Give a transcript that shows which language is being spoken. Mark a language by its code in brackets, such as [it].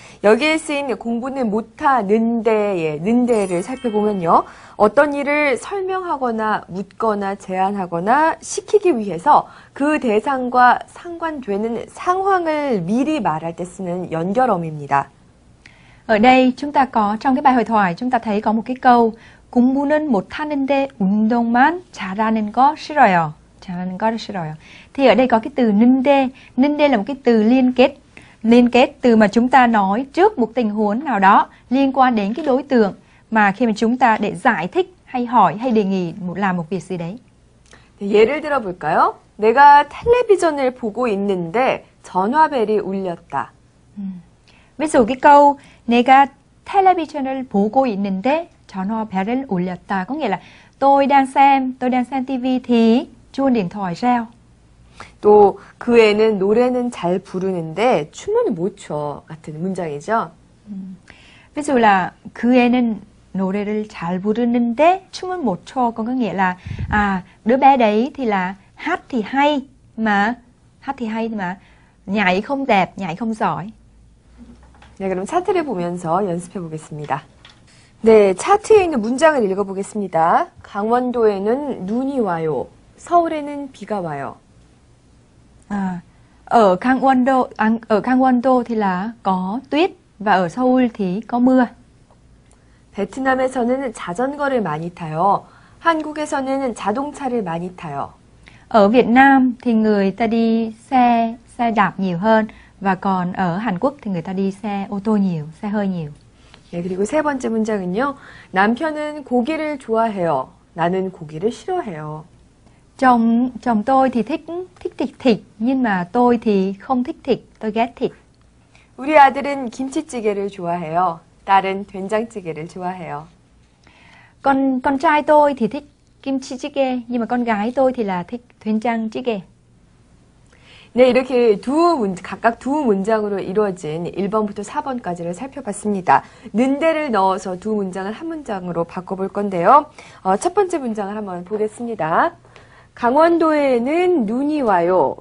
[ko] 여기에 쓰인 공부는 못하는데의 는데를 살펴보면요. 어떤 일을 설명하거나 묻거나 제안하거나 시키기 위해서 그 대상과 상관되는 상황을 미리 말할 때 쓰는 연결어입니다. [vi] Ở đây chúng ta có trong cái bài hội thoại chúng ta thấy có một cái câu [ko] 공부는 못하는데 운동만 잘하는 거 싫어요. 잘하는 거 싫어요. [vi] Thì ở đây có cái từ 는데. 는데 là một cái từ liên kết. Liên kết từ mà chúng ta nói trước một tình huống nào đó liên quan đến cái đối tượng mà khi mà chúng ta để giải thích hay hỏi hay đề nghị làm một việc gì đấy. [ko] 예를 들어볼까요? 내가 텔레비전을 보고 있는데 전화벨이 울렸다. [vi] Ví dụ cái câu [ko] 내가 텔레비전을 보고 있는데 전화벨을 울렸다. [vi] Có nghĩa là tôi đang xem TV thì chuông điện thoại reo. [ko] 또 그 애는 노래는 잘 부르는데 춤은 못 춰 같은 문장이죠. 그래서 그 애는 노래를 잘 부르는데 춤은 못 춰. [vi] 그건 nghĩa là đứa bé đấy thì là hát thì hay mà nhảy không đẹp, nhảy không giỏi. [ko] 네, 그럼 차트를 보면서 연습해 보겠습니다. 네, 차트에 있는 문장을 읽어 보겠습니다. 강원도에는 눈이 와요. 서울에는 비가 와요. [vi] Ở Gangwon-do thì là có tuyết và ở Seoul thì có mưa. [ko] 베트남에서는 자전거를 많이 타요. 한국에서는 자동차를 많이 타요. [vi] Ở Việt Nam thì người ta đi xe đạp nhiều hơn và còn ở Hàn Quốc thì người ta đi xe ô tô nhiều, xe hơi nhiều. [ko] 네, 그리고 세 번째 문장은요. 남편은 고기를 좋아해요. 나는 고기를 싫어해요. [vi] Chồng tôi thì thích thịt nhưng mà tôi thì không thích thịt, tôi ghét thịt. [ko] 우리 아들은 김치찌개를 좋아해요. 딸은 된장찌개를 좋아해요. [vi] Con trai tôi thì thích kim chi jjigae nhưng mà con gái tôi thì là thích doenjang jjigae. [ko] 네, 이렇게 각각 두 문장으로 이루어진 1번부터 4번까지를 살펴봤습니다. 는데를 넣어서 두 문장을 한 문장으로 바꿔 볼 건데요. 첫 번째 문장을 한번 보겠습니다. 강원도에는 눈이 와요.